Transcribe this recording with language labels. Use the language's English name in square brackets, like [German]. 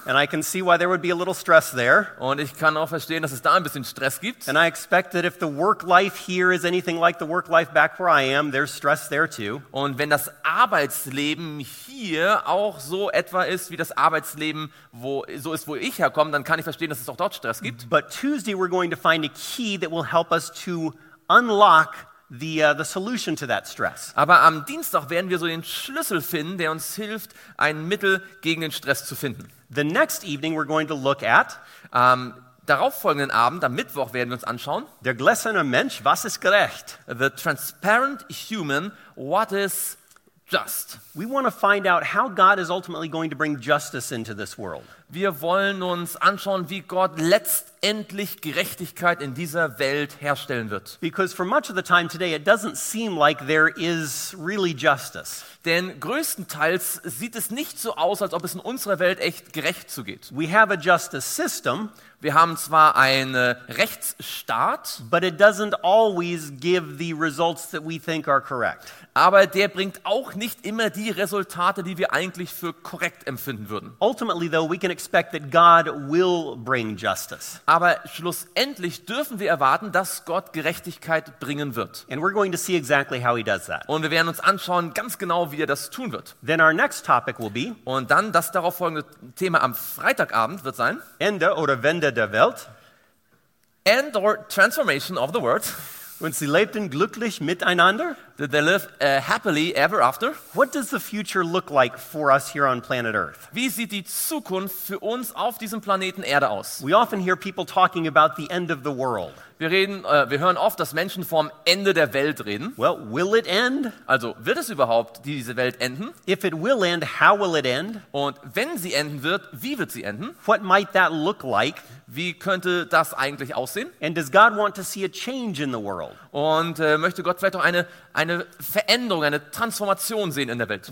[English] And I can see why there would be a little stress there. [German] Und ich kann auch verstehen, dass es da ein bisschen Stress gibt. [English] And I expect that if the work life here is anything like the work life back where I am, there's stress there too. [German] Und wenn das Arbeitsleben hier auch so etwa ist wie das Arbeitsleben wo so ist, wo ich herkomme, dann kann ich verstehen, dass es auch dort Stress gibt. [English] But Tuesday we're going to find a key that will help us to unlock the solution to that stress. [German] Aber am Dienstag werden wir so den Schlüssel finden, der uns hilft, ein Mittel gegen den Stress zu finden. [English] The next evening we're going to look at [German] darauf folgenden Abend, am Mittwoch, werden wir uns anschauen. Der gläserne Mensch, was ist gerecht? [English] The transparent human, what is just? We want to find out how God is ultimately going to bring justice into this world. [German] Wir wollen uns anschauen, wie Gott letztendlich Gerechtigkeit in dieser Welt herstellen wird. [English] Because for much of the time today it doesn't seem like there is really justice. [German] Denn größtenteils sieht es nicht so aus, als ob es in unserer Welt echt gerecht zugeht. [English] We have a justice system. [German] Wir haben zwar einen Rechtsstaat, [English] but it doesn't always give the results that we think are correct. [German] Aber der bringt auch nicht immer die Resultate, die wir eigentlich für korrekt empfinden würden. [English] Ultimately though, we can expect that God will bring justice. [German] Aber schlussendlich dürfen wir erwarten, dass Gott Gerechtigkeit bringen wird. [English] And we're going to see exactly how he does that. [German] Und wir werden uns anschauen, ganz genau, wie er das tun wird. [English] Then our next topic will be, [German] und dann das darauf folgende Thema am Freitagabend wird sein, Ende oder Wende der Welt, [English] End or Transformation of the World. [German] Und sie lebten glücklich miteinander. [English] Did they live happily ever after? What does the future look like for us here on planet Earth? [German] Wie sieht die Zukunft für uns auf diesem Planeten Erde aus? [English] We often hear people talking about the end of the world. [German] Wir hören oft, dass Menschen vom Ende der Welt reden. [English] Well, will it end? [German] Also, wird es überhaupt diese Welt enden? [English] If it will end, how will it end? [German] Und wenn sie enden wird, wie wird sie enden? [English] What might that look like? [German] Wie könnte das eigentlich aussehen? [English] And does God want to see a change in the world? [German] Und möchte Gott vielleicht auch eine Veränderung, eine Transformation sehen in der Welt?